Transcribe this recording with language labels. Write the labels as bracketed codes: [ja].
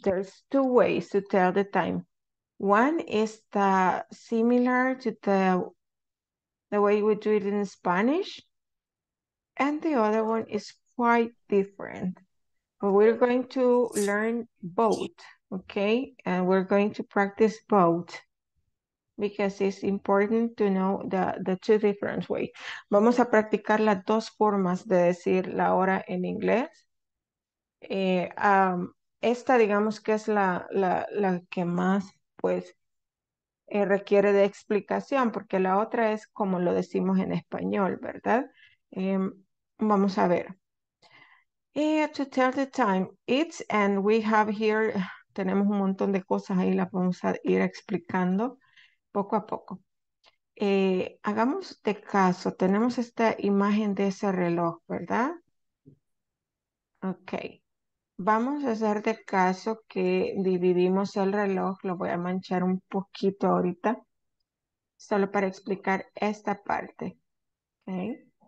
[en] There's two ways to tell the time. One is the similar to the way we do it in Spanish, and the other one is quite different. But we're going to learn both. Okay, and we're going to practice both because it's important to know the two different ways. [es] Vamos a practicar las dos formas de decir la hora en inglés. Esta, digamos, que es la que más, pues, requiere de explicación, porque la otra es como lo decimos en español, ¿verdad? Vamos a ver. [en] To tell the time, it's, and we have here... [es] Tenemos un montón de cosas ahí, las vamos a ir explicando poco a poco. Hagamos de caso, tenemos esta imagen de ese reloj, ¿verdad? Ok, vamos a hacer de caso que dividimos el reloj, lo voy a manchar un poquito ahorita, solo para explicar esta parte. Okay.